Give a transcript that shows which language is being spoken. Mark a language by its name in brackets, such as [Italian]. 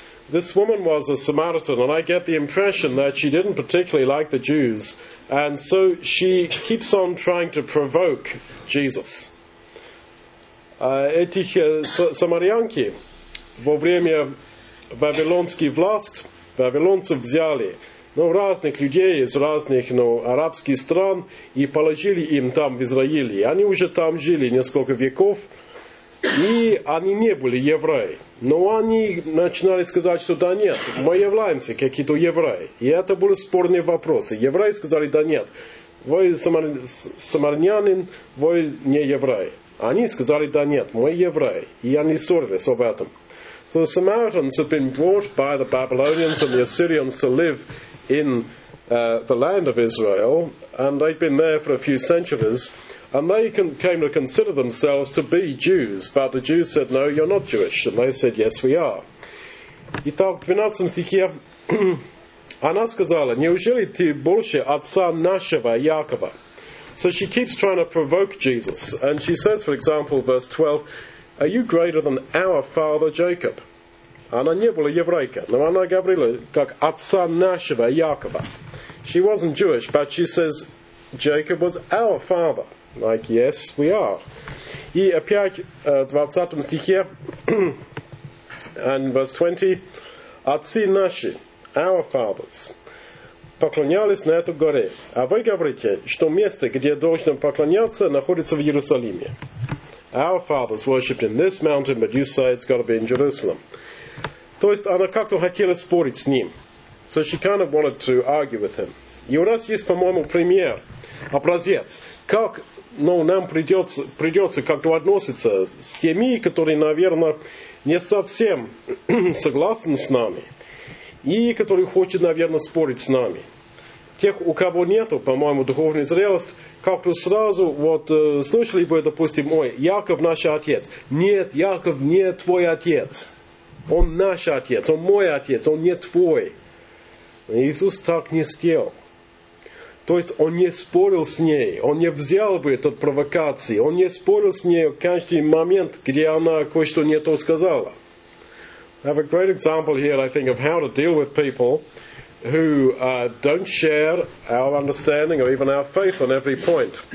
[English] This woman was a Samaritan, and I get the impression that she didn't particularly like the Jews, and so she keeps on trying to provoke Jesus. [Russian] Этих самарянки во время вавилонской власти, вавилонцев взяли, ну, разных людей из разных, ну, арабских стран и положили им там в Израиле. Они уже там жили несколько веков. И они не были евреи. Но они начинали сказать, что да нет, мы являемся какие-то евреи. И это были спорные вопросы. Евреи сказали, да нет, вы самарянин, вы не евреи. Они сказали, да нет, мы евреи. И они ссорились об этом. [English] So the Samaritans had been brought by the Babylonians and the Assyrians to live in the land of Israel. And they'd been there for a few centuries. And they came to consider themselves to be Jews. But the Jews said, no, you're not Jewish. And they said, yes, we are. [Russian] Итак, в 12 стихе она сказала, неужели ты больше отца нашего Якова? [English] So she keeps trying to provoke Jesus. And she says, for example, verse 12, are you greater than our father Jacob? [Russian] Она не была еврейка, но она говорила, как отца нашего Якова. [English] She wasn't Jewish, but she says, Jacob was our father. Like, yes, we are. [Russian] И опять в 20 стихе, [English] and verse 20, [Russian] отцы наши, [English] our fathers, [Russian] поклонялись на эту горе. А вы говорите, что место, где должен поклоняться, находится в Иерусалиме. [English] Our fathers worshipped in this mountain, but you say it's got to be in Jerusalem. [Russian] То есть она как-то хотела спорить с ним. [English] So she kind of wanted to argue with him. [Russian] И у нас есть, по-моему, пример, образец. Как, ну, нам придется как-то относиться с теми, которые, наверное, не совсем согласны с нами. И которые хочет, наверное, спорить с нами. Тех, у кого нету, по-моему, духовной зрелости, как-то сразу, вот, слышали бы, допустим, ой, Яков наш отец. Нет, Яков не твой отец. Он наш отец, он мой отец, он не твой. Иисус так не сделал. То есть он не спорил с ней, он не взял бы этот провокации, он не спорил с ней в каждый момент, где она кое-что не то сказала. [English] I have a great example here, I think, of how to deal with people who don't share our understanding or even our faith on every point.